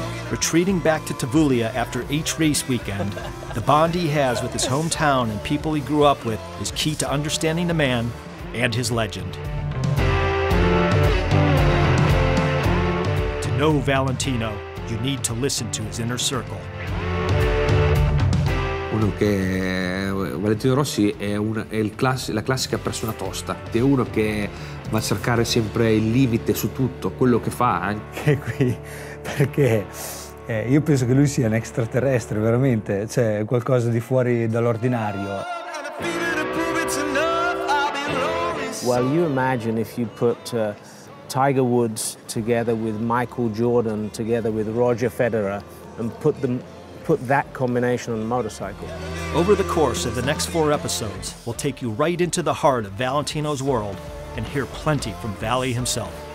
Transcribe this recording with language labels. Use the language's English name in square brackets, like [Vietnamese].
[English] Retreating back to Tavuglia after each race weekend, the bond he has with his hometown and people he grew up with is key to understanding the man and his legend. To know Valentino, you need to listen to his inner circle. [Italian] Uno che Valentino Rossi è una è il classica la classica persona tosta, è uno che va a cercare sempre il limite su tutto, quello che fa anche qui perché io penso che lui sia un extraterrestre veramente, cioè qualcosa di fuori dall'ordinario. [English] Well, you imagine if you put Tiger Woods together with Michael Jordan together with Roger Federer and put that combination on a motorcycle. Over the course of the next four episodes, we'll take you right into the heart of Valentino's world and hear plenty from Valley himself.